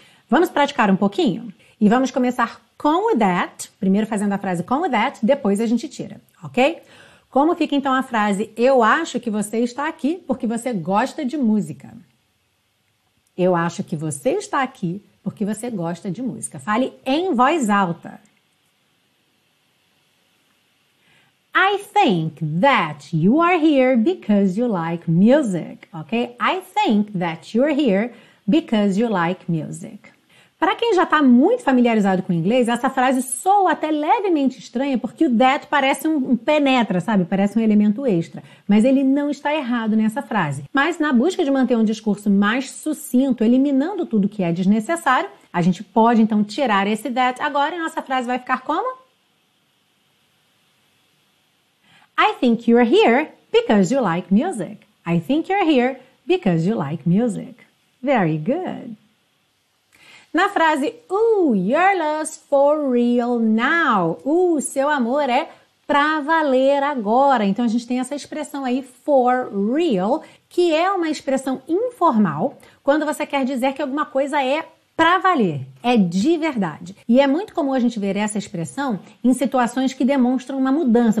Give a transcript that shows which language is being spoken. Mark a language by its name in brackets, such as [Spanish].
[Portuguese] Vamos praticar um pouquinho? E vamos começar com o that, primeiro fazendo a frase com o that, depois a gente tira, ok? Como fica então a frase eu acho que você está aqui porque você gosta de música? Eu acho que você está aqui porque você gosta de música. Fale em voz alta. [English] I think that you are here because you like music, ok? I think that you're here because you like music. [Portuguese] Para quem já está muito familiarizado com o inglês, essa frase soa até levemente estranha porque o that parece um penetra, sabe? Parece um elemento extra. Mas ele não está errado nessa frase. Mas na busca de manter um discurso mais sucinto, eliminando tudo que é desnecessário, a gente pode então tirar esse that agora e nossa frase vai ficar como? [English] I think you're here because you like music. I think you're here because you like music. Very good. [Portuguese] Na frase, [English] ooh, you're lost for real now. [Portuguese] Ooh, seu amor é pra valer agora. Então, a gente tem essa expressão aí, for real, que é uma expressão informal quando você quer dizer que alguma coisa é pra valer, é de verdade. E é muito comum a gente ver essa expressão em situações que demonstram uma mudança.